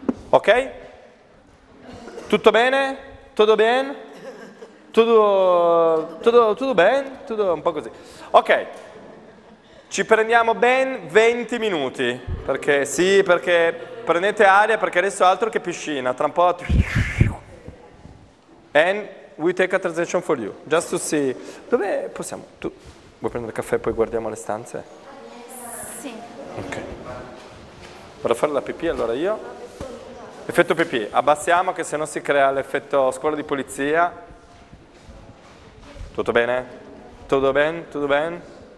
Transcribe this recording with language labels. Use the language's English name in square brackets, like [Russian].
[Italian] Ok? Tutto bene? Tutto bene? Tutto bene? Tutto un po' così. Ok. Ci prendiamo ben 20 minuti, perché prendete aria, perché adesso altro che piscina, tra un po'... [English] And we take a transition for you, just to see... [Italian] Dove possiamo? Tu vuoi prendere caffè e poi guardiamo le stanze? Sì. Ok. Vado a fare la pipì allora io. Effetto pipì, abbassiamo che sennò si crea l'effetto scuola di pulizia. Tutto bene? Tutto bene? Tutto bene?